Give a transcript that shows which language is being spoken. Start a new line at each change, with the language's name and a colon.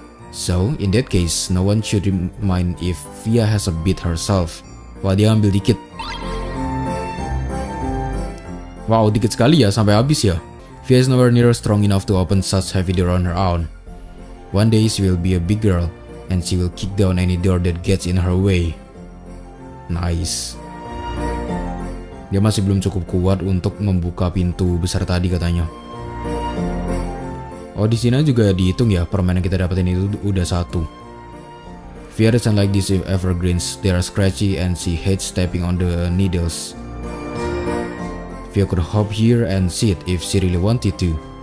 English: So, in that case, no one should mind if Via has a bit herself.
Indonesian: Wah, dia ambil dikit. Wow, dikit sekali ya, sampai habis ya.
English: Via is nowhere near strong enough to open such heavy door on her own. One day she will be a big girl, and she will kick down any door that gets in her way. Nice.
Indonesian: Dia masih belum cukup kuat untuk membuka pintu besar tadi katanya. Oh, di sini juga dihitung ya, permen yang kita dapetin itu udah satu.
English: Via doesn't like these evergreens. They are scratchy and she hates stepping on the needles. Via could hop here and sit if she really wanted to.